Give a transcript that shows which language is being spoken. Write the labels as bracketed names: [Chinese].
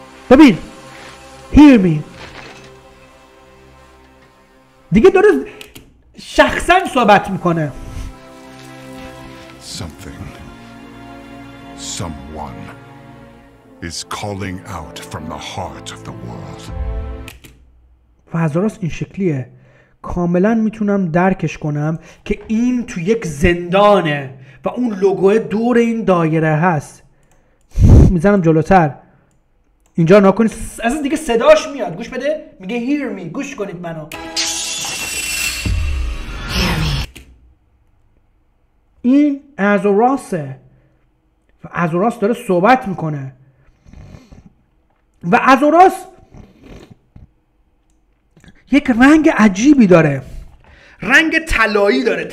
[Persian] ببین، [English] hear me. [Persian] دیگه داره شخصا صحبت میکنه. [English] Something, someone is calling out from the heart of the world. [Persian] فازوراس این شکلیه. کاملا میتونم درکش کنم که این تو یک زندانه و اون لوگوه دور این دایره هست. میزنم جلوتر اینجا ناکنید از دیگه صداش میاد، گوش بده، میگه [English] hear me، [Persian] گوش کنید منو، این ازوراسه و ازوراس داره صحبت میکنه و ازوراس یک رنگ عجیبی داره، رنگ طلایی داره.